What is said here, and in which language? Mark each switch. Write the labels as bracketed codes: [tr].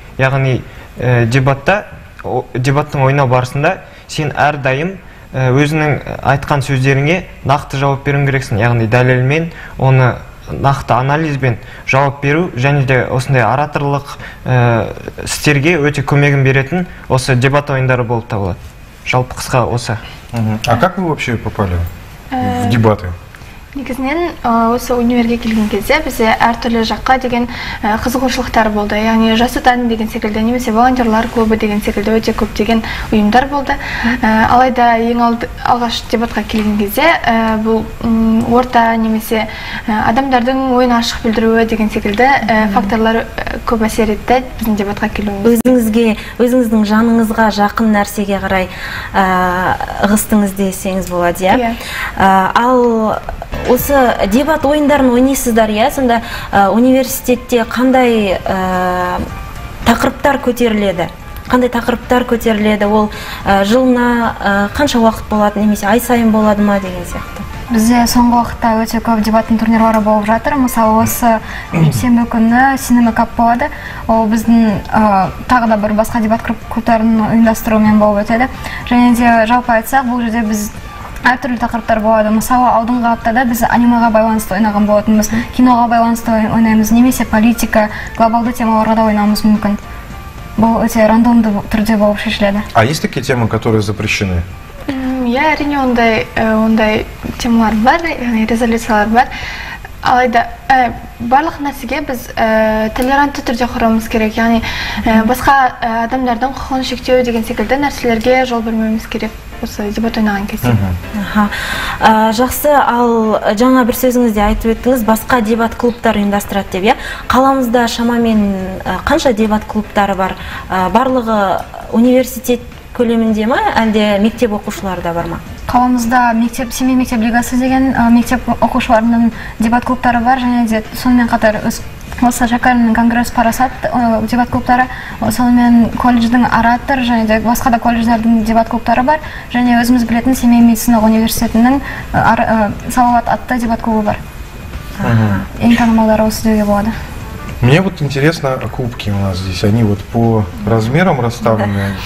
[kk] Яғни дебаттың ойнау барысында сен әрдайым өзіңнің айтқан сөздеріңе нақты жауап беруің керексің. Яғни дәлелмен оны нақты анализбен жауап беру және де осындай ораторлық істерге өте көмегін беретін осы дебат ойындары болып табылады. Жалпы қысқа осы. [ru] А как вы вообще попали в дебаты? [kk] Негізінен осы универге келген кезде бізде әртүрлі жаққа деген қызығушылықтар болды. Яғни жас отан деген секілді, немесе волонтерлар клубы деген секілді өте көп деген ұйымдар болды. Алайда алғаш дебатқа келген кезде бұл орта немесе адамдардың ойын ашық білдіруі деген секілді факторлар көп әсер етті біздің дебатқа келуіміз. Өзіңізге, өзіңіздің жаныңызға жақын нәрсеге қарай ығыстыңыз десеңіз болады, иә. Ал осы дебат ойындарын ойнайсыздар, иә? Сонда университетте қандай тақырыптар көтеріледі? Қандай тақырыптар көтеріледі? Ол жылына қанша уақыт болады, немесе ай сайын болады ма деген сияқты? Бізде соңғы уақытта өте көп дебаттың турнирлары болып жатыр. Мысалы, осы сенбі күні Cinema Cup болады. Ол біздің тағы да бір басқа дебат клубтарының ұйымдастыруымен болып өтеді. Және де жалпы айтсақ, бұл жерде біз әртүрлі тақырыптар болады. Мысалы, алдыңғы аптада біз анимаға байланысты ойнаған болатынбыз, киноға байланысты ойнаймыз, немесе политика, глобалды темаларға да ойнауымыз мүмкін. Бұл өте рандомды түрде болып шешіледі. [ru] А есть такие темы, которые запрещены? [kk] Я әрине ондай темалар бар, резолюциялар бар. Алайда барлық нәрсеге біз толерантты түрде қарауымыз керек. Яғни басқа адамдардың құқығын шектеу деген секілді нәрселерге жол бермеуіміз керек. Осы дебат ойнаған кезде. Жақсы, ал жаңа бір сөзіңізде айтып өттіңіз, басқа дебат клубтар ұйымдастырады деп, иә? Қаламызда шамамен қанша дебат клубтары бар? Барлығы университет көлемінде ма, әлде мектеп оқушылары да бар ма? Қаламызда мектеп, семей мектеп лигасы деген мектеп оқушыларының дебат клубтары бар, және де сонымен қатар осы Жакарының конгресс парасат дебат клубтары, сонымен колледждің оратор, және де басқа да колледждердің дебат клубтары бар, және өзіміз білетін семей медициналық университетінің Салават атты дебат клубы бар. Ең танымалдары осы деуге болады. [ru] Мне вот интересно, кубки у нас здесь, они вот по размерам расставлены.